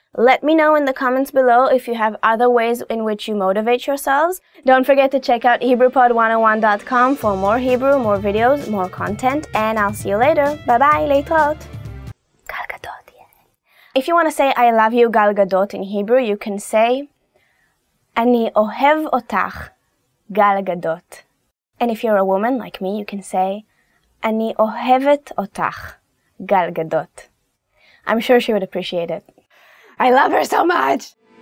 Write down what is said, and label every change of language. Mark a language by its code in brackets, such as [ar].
[en] Let me know in the comments below if you have other ways in which you motivate yourselves. Don't forget to check out HebrewPod101.com for more Hebrew, more videos, more content, and I'll see you later. Bye-bye, להתראות. Gal Gadot, yeah. If you want to say I love you, Gal Gadot, in Hebrew, you can say [he] אני אוהב אותך, Gal Gadot. [en] And if you're a woman like me, you can say [he] אני אוהבת אותך, Gal Gadot. [en] I'm sure she would appreciate it. I love her so much!